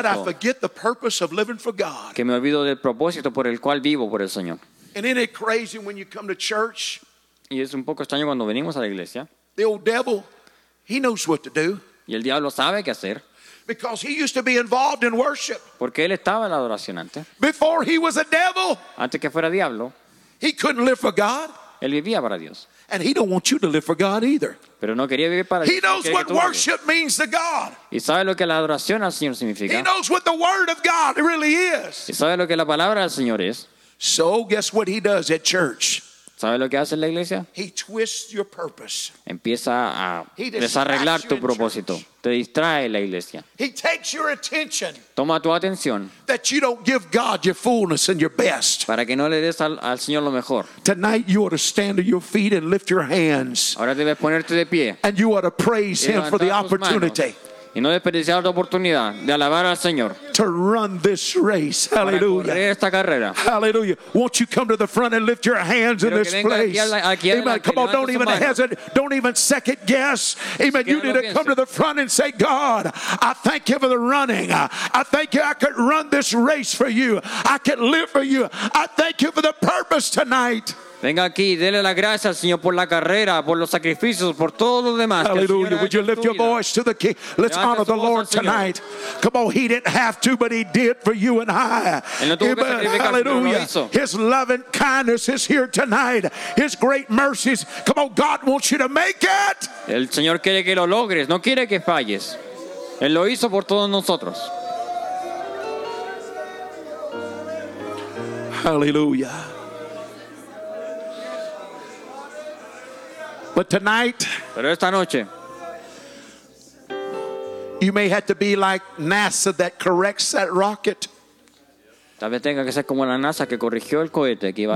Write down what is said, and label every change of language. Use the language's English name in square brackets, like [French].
[English] That I forget the purpose of living for God. [Spanish] Que me olvido del propósito por el cual vivo por el Señor. [English] And isn't it crazy when you come to church? [Spanish] Y es un poco extraño cuando venimos a la iglesia. [English] The old devil, he knows what to do. [Spanish] Y el diablo sabe qué hacer. [English] Because he used to be involved in worship. [Spanish] Porque él estaba en la adoración antes. [English] Before he was a devil. [Spanish] Antes que fuera diablo. [English] He couldn't live for God. [Spanish] Él vivía para Dios. [English] And he don't want you to live for God either. [Spanish] Pero no quería vivir para [English] he [Spanish] Dios. [English] Knows [Spanish] no [English] what worship means to God. [Spanish] Y sabe lo que la adoración al Señor significa. [English] He knows what the word of God really is. [Spanish] Y sabe lo que la palabra del Señor es. [English] So guess what he does at church. [Spanish] ¿Sabe lo que hace en la iglesia? [English] He twists your purpose. [Spanish] Empieza a desarreglar tu propósito. Te distrae la iglesia. [English] He takes your attention. [Spanish] Toma tu atención. [English] That you don't give God your fullness and your best. [Spanish] Para que no le des al Señor lo mejor. [English] Tonight you ought to stand to your feet and lift your hands. [Spanish] Ahora debes ponerte de pie. [English] And you ought to praise him for the opportunity. [Spanish] Y no desperdiciar la oportunidad de alabar al Señor. [English] To run this race, hallelujah. [Spanish] Para correr esta carrera. [English] Hallelujah. Won't you come to the front and lift your hands [Spanish] Pero [English] in this place? [Spanish] Aquí [English] Amen. [Spanish] Aquí [English] come on, don't even hesitate. Don't even second guess. Amen. Si you need to come to the front and say, God, I thank you for the running. I thank you I could run this race for you. I could live for you. I thank you for the purpose tonight. [Spanish] Venga aquí, dele la gracia al Señor por la carrera, por los sacrificios, por todos los demás. [English] Hallelujah. Would you lift your voice to the King? Let's honor the Lord tonight. Come on, he didn't have to, but he did for you and I. Hallelujah. His love and kindness is here tonight. His great mercies. Come on, God wants you to make it. [Spanish] El Señor quiere que lo logres, no quiere que falles. Él lo hizo por todos nosotros. [English] Hallelujah. But tonight, [Spanish] pero esta noche, [English] you may have to be like NASA that corrects that rocket. [Spanish] Tal vez tenga que ser como la NASA que corrigió el cohete que iba a